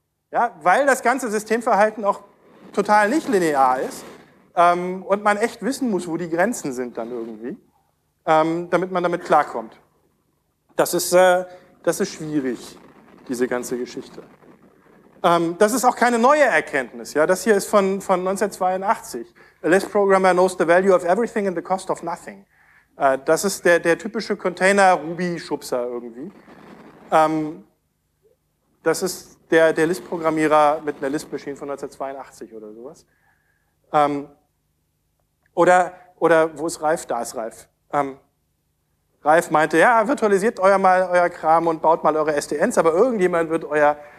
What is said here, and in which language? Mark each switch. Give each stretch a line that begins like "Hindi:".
German: Ja, weil das ganze Systemverhalten auch total nicht linear ist und man echt wissen muss, wo die Grenzen sind dann irgendwie, damit man damit klarkommt. Das ist schwierig, diese ganze Geschichte. Das ist auch keine neue Erkenntnis. Ja, das hier ist von 1982.
English: A less programmer knows the value of everything and the cost of nothing.
German: Das ist der typische Container-Ruby-Schubser irgendwie. Das ist der Lisp-Programmierer mit einer Lisp-Maschine von 1982 oder sowas. Oder wo ist Ralf? Da ist Ralf. Ralf meinte, ja, virtualisiert euer mal euer Kram und baut mal eure SDNs, aber irgendjemand wird euer